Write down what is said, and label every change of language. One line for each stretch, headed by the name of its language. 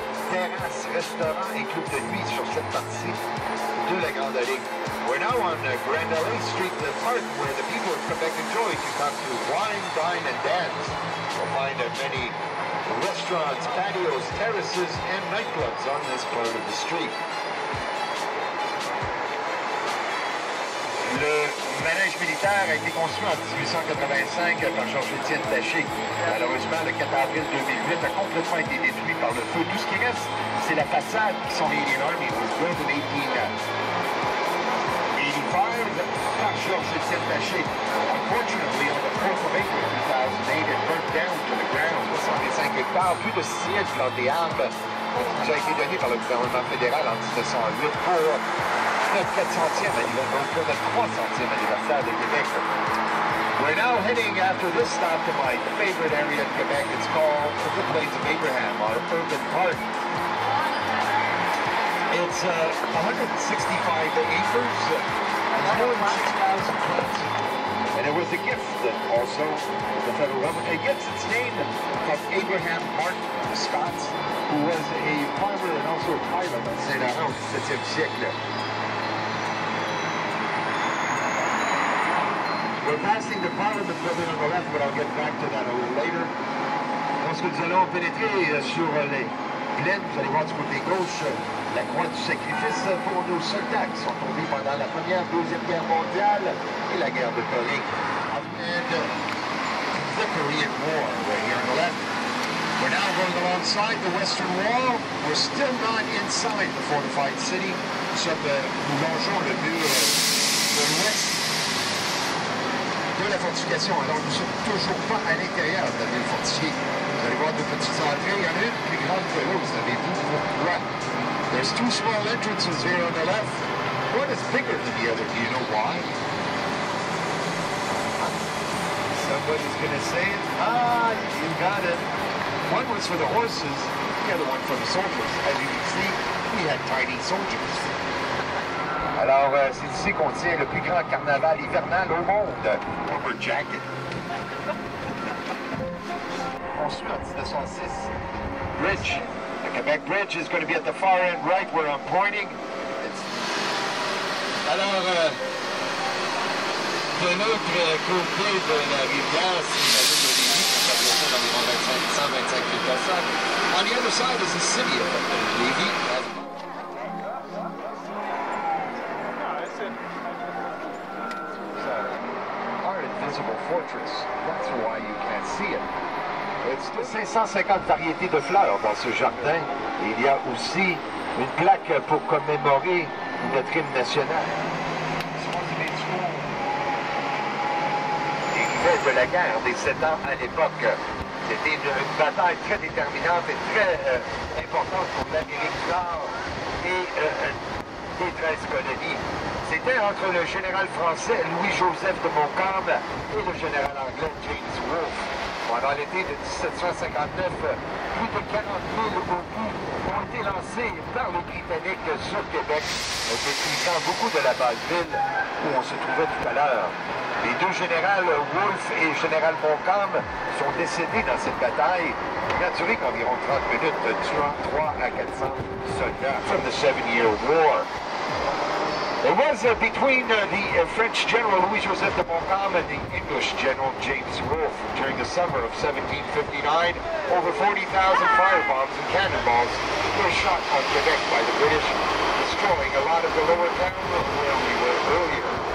French: Terrasse, restaurant et club de nuit sur cette partie de la Grande Allée.
English: We're now on the Grand Alley Street, the park where the people of Quebec enjoy to come to wine, dine, and dance. You'll find many restaurants, patios, terraces, and nightclubs on this part of the street.
French: Le manège militaire a été conçu en 1885 par Georges-Étienne Taché. Malheureusement, le 4 avril 2008 a complètement été détruit par le feu. Tout ce qui reste, c'est la façade qui sont les énormes et vous êtes les dinas.
English: Fired par Georges-Étienne Taché. Unfortunately, on the 4th of April 2008, it burnt down to the ground.
French: 65 hectares, plus de 6 plantes d'arbres qui ont été donnés par le gouvernement fédéral en 1908 pour le 300e anniversaire de Québec.
English: We're now heading after this stop to my favorite area in Quebec. It's called the Plains of Abraham, our urban park. It's 165 acres, and it's more than 6,000 plants. And it was a gift that also the federal government, it gets its name from Abraham Mark Scott, who was a farmer and also a pilot on St. Laurent, the 7th siècle. We're passing the Parliament building on the left, but I'll get back to that a little later.
French: Lorsque nous allons pénétrer sur les plaines, vous allez voir du côté gauche, la croix du sacrifice pour nos soldats qui sont tombés pendant la Première, Deuxième Guerre mondiale et la guerre de Corée.
English: And the Korean War, right here on the left. We're now going alongside the Western Wall. We're still not inside the fortified city.
French: So nous longeons le mur de l'ouest de la fortification. Alors nous ne sommes toujours pas à l'intérieur de la ville fortifiée. Vous allez voir deux petites entrées. Il y en a une plus grande que l'autre. Vous avez vu pourquoi?
English: There's two small entrances here on the left. One is bigger than the other. Do you know why? Somebody's gonna say it. Ah, you got it. One was for the horses, the other one for the soldiers. As you can see, we had tiny soldiers.
French: Alors, c'est ici qu'on tient le plus grand carnaval hivernal au monde.
English: Rubber jacket.
French: Construit en 1906. Bridge.
English: Quebec Bridge is going to be at the far end right where I'm pointing.
French: Alors, de l'autre côté de la rivière, c'est la ville de Lévis, qui a bien sûr environ 125 000 personnes.
English: On the other side is the city of Lévis. Our invisible fortress, that's why you can't see it.
French: Il y a 550 variétés de fleurs dans ce jardin. Et il y a aussi une plaque pour commémorer notre hymne national. Les rivaux de la guerre des 7 ans à l'époque. C'était une bataille très déterminante et très importante pour l'Amérique du Nord et les 13 colonies. C'était entre le général français Louis-Joseph de Montcalm et le général anglais James Wolfe. Pendant l'été de 1759, plus de 40 000 obus ont été lancés par les Britanniques sur Québec, détruisant beaucoup de la basse ville où on se trouvait tout à l'heure. Les deux généraux, Wolfe et général Montcalm, sont décédés dans cette bataille, qui a duré qu'environ 30 minutes, tuant 300 à 400 soldats.
English: From the Seven-Year War. It was between the French general Louis-Joseph de Montcalm and the English general James Wolfe during the summer of 1759. Over 40,000 firebombs and cannonballs were shot on Quebec by the British, destroying a lot of the lower town of where we were earlier.